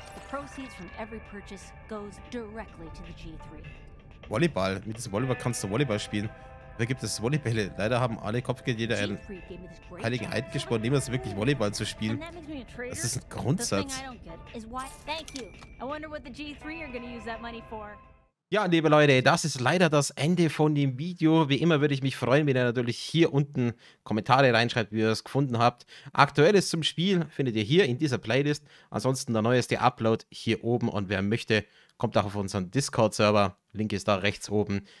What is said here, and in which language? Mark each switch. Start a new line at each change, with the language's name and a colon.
English: Proceeds from every purchase goes directly to the G3.
German: Volleyball. Mit diesem Volleyball kannst du Volleyball spielen. Da gibt es Volleybälle. Leider haben alle Kopfgeldjäger einen heiligen Eid geschworen, niemals wirklich Volleyball zu spielen. Das ist ein Grundsatz.
English: Thank you. I wonder what the G3 are gonna use that money for.
German: Ja, liebe Leute, das ist leider das Ende von dem Video. Wie immer würde ich mich freuen, wenn ihr natürlich hier unten Kommentare reinschreibt, wie ihr es gefunden habt. Aktuelles zum Spiel findet ihr hier in dieser Playlist. Ansonsten der neueste Upload hier oben. Und wer möchte, kommt auch auf unseren Discord-Server. Link ist da rechts oben.